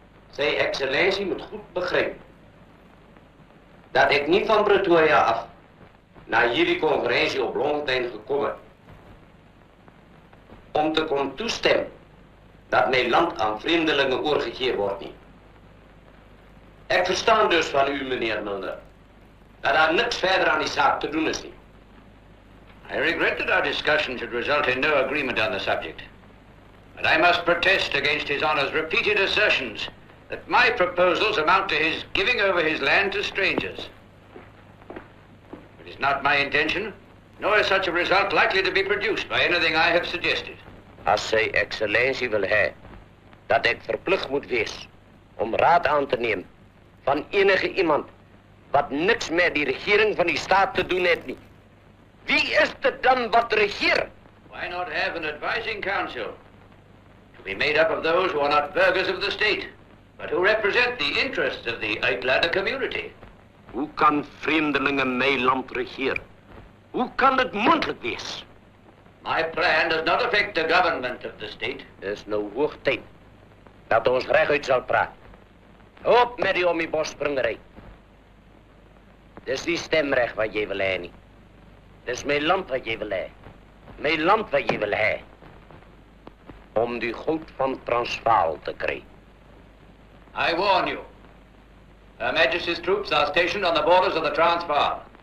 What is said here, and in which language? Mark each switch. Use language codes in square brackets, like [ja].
[af] Zij excellentie moet goed begrijpen dat ik niet van Pretoria af naar jullie conferentie op Bloemfontein gekomen om te kon toestemmen dat mijn land aan vreemdelingen overgegeven wordt niet. Ik verstaan dus van u, meneer Mulder, dat daar niks verder aan die zaak te doen is niet. [en] I regret that our discussion should result in no agreement on the subject. But I must protest against his honor's repeated assertions that my proposals amount to his giving over his land to strangers. It is not my intention, nor is such a result likely to be produced by anything I have suggested. [af] Als zijn excellentie wil hij dat ik verplicht moet wees om raad aan te nemen van enige iemand wat niks met die regering van die staat te doen heeft niet. Wie is het dan wat regeert? [en] Why not have an advising council? To be made up of those who are not burgers of the state, but who represent the interests of the Uitlander community. [af] Hoe kan vreemdelingen mijn land regeren? Hoe kan het moeilijk wees? [en] My plan does not affect the government of the state. [af] Het is nou hoog tijd dat ons rechtuit zal praten. Hoop met die omnibosspringerij. Het is die stemrecht wat je wil hebben. Het is mijn land wat je wil hebben. Mijn land wat je wil hebben. Om die goud van Transvaal te krijgen. [en] I warn you. Her Majesty's troops are stationed on the borders of the Transvaal.